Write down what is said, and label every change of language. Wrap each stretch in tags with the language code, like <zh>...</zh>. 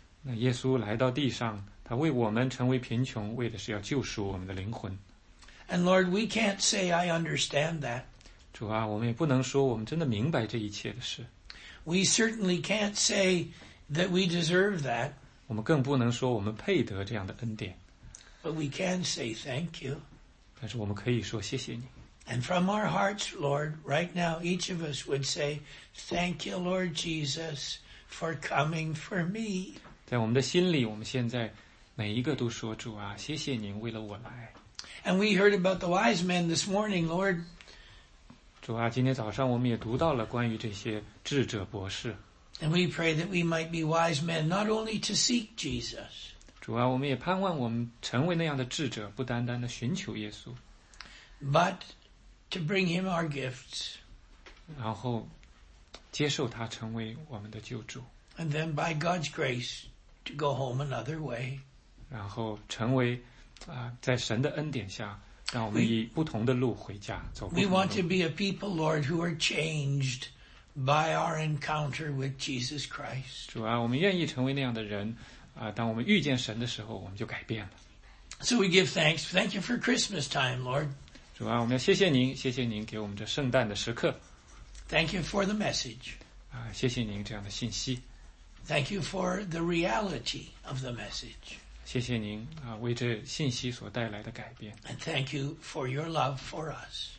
<zh>那耶稣来到地上，他为我们成为贫穷，为的是要救赎我们的灵魂。</zh> <en>And Lord, we can't say I understand that.</en> <zh>主啊，我们也不能说我们真的明白这一切的事。</zh> <en>We certainly can't say that we deserve that.</en> <zh>我们更不能说我们配得这样的恩典。</zh> <en>But we can say thank you.</en> <zh>但是我们可以说谢谢你。</zh> <en>And from our hearts, Lord, right now, each of us would say, thank you, Lord Jesus, for coming for me.</en> <zh>在我们的心里，我们现在每一个都说，主啊，谢谢您为了我来。</zh> <en>And we heard about the wise men this morning, Lord.</en> <zh>主啊，今天早上我们也读到了关于这些智者博士。</zh> <en>And we pray that we might be wise men, not only to seek Jesus.</en> <zh>主啊，我们也盼望我们成为那样的智者，不单单的寻求耶稣。</zh> <en>But to bring him our gifts.</en> <zh>然后接受他成为我们的救主。</zh> <en>And then by God's grace, to go home another way.</en> <zh>然后成为在神的恩典下，让我们以不同的路回家，走不同的路。</zh> <en>We want to be a people, Lord, who are changed by our encounter with Jesus Christ.</en> <zh>主啊，我们愿意成为那样的人，当我们遇见神的时候，我们就改变了。</zh> <en>So we give thanks. Thank you for Christmas time, Lord.</en> <zh>主啊，我们要谢谢您，谢谢您给我们这圣诞的时刻。</zh> <en>Thank you for the message.</en> <zh>谢谢您这样的信息。</zh> <en>Thank you for the reality of the message.</en> <zh>谢谢您为这信息所带来的改变。</zh> <en>And thank you for your love for us.</en>